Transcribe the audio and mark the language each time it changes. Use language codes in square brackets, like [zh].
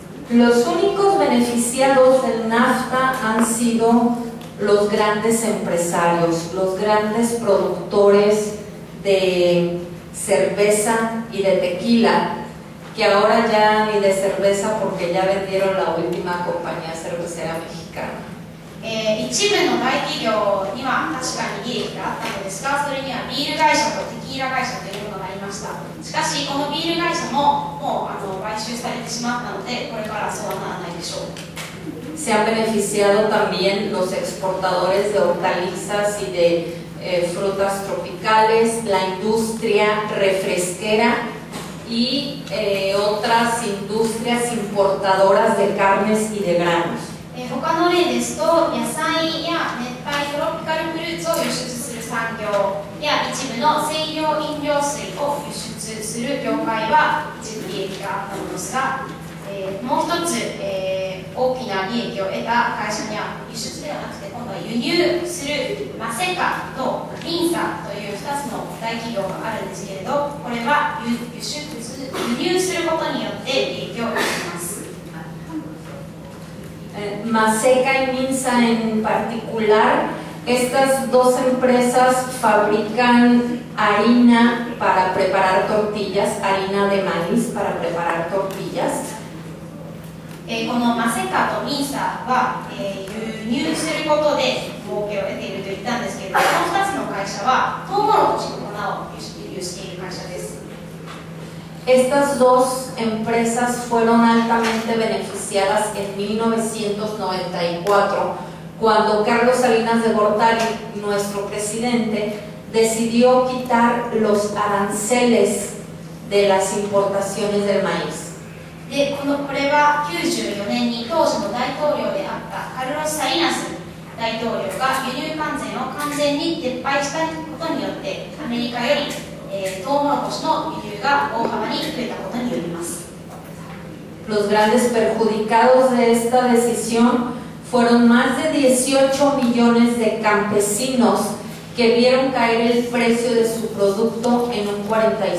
[es] Los únicos beneficiados del NAFTA han sido los grandes empresarios, los grandes productores de cerveza y de tequila, que ahora ya ni de cerveza porque ya vendieron la última compañía cervecera mexicana. [ja] 一部の大企業には確かに利益があったのですが、それにはビール会社とテキーラ会社というものがありました。しかしこのビール会社ももう買収されてしまったので、これからそうはならないでしょう。 [es] Se han beneficiado también los exportadores de hortalizas y de frutas tropicales, la industria refresquera y otras industrias importadoras de carnes y de granos. [ja] 他の例ですと、野菜や熱帯トロピカルフルーツを輸出する産業や一部の専用飲料水を輸出する業界は一部利益があったのですが、もう一つ、大きな利益を得た会社には輸出ではなくて今度は輸入するマセカとリンサという2つの大企業があるんですけれど、これは輸入することによって利益を得ています。 [es] Maseca y Minsa en particular, estas dos empresas fabrican harina para preparar tortillas, harina de maíz para preparar tortillas. [ja] このMaseca と Minsa は輸入することで儲けを得ていると言ったんですけど、この2つの会社はトウモロコシの粉を輸入している会社です。 [es] Estas dos empresas fueron altamente beneficiadas en 1994, cuando Carlos Salinas de Gortari, nuestro presidente, decidió quitar los aranceles de las importaciones del maíz. [ja] De, これは94年に当時の大統領であったカルロス・サリナス大統領が輸入関税を完全に撤廃したことによってアメリカよりトウモロコシの輸入が大幅に増えたことによります。 [es] Los grandes perjudicados de esta decisión fueron más de 18 millones de campesinos que vieron caer el precio de su producto en un 45%.